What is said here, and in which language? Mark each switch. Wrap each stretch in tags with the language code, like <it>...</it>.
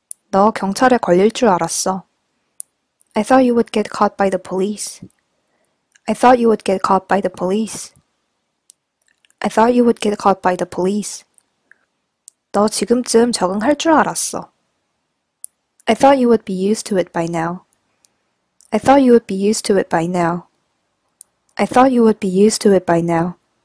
<ko>너 경찰에 걸릴 줄 알았어.</ko> <en>I thought you would get caught by the police. I thought you would get caught by the police. I thought you would get caught by the police.</en> <ko>너 지금쯤 적응할 줄 알았어.</ko> <en>I thought you would be used to it by now. I thought you would be used to it by now. I thought you would be used to it by now.</en>